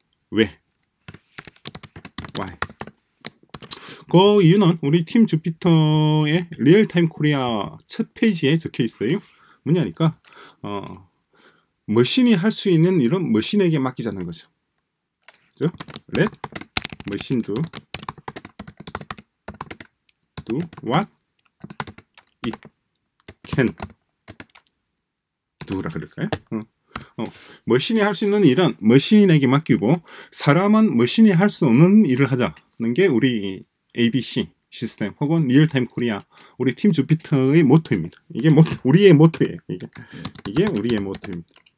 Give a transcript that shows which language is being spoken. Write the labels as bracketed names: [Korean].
[Korean] 왜. [English] Why. [Korean] 그 이유는 우리 팀 주피터의 리얼타임 코리아 첫 페이지에 적혀 있어요. 뭐냐니까 머신이 할 수 있는 일은 머신에게 맡기자는 거죠. 그죠? [English] Let machine do, do what it can do [Korean] 라 그럴까요? 머신이 할 수 있는 일은 머신에게 맡기고 사람은 머신이 할 수 없는 일을 하자는 게 우리 ABC 시스템 혹은 리얼타임 코리아 우리 팀 주피터의 모토입니다. 이게 우리의 모토예요. 이게 우리의 모토입니다.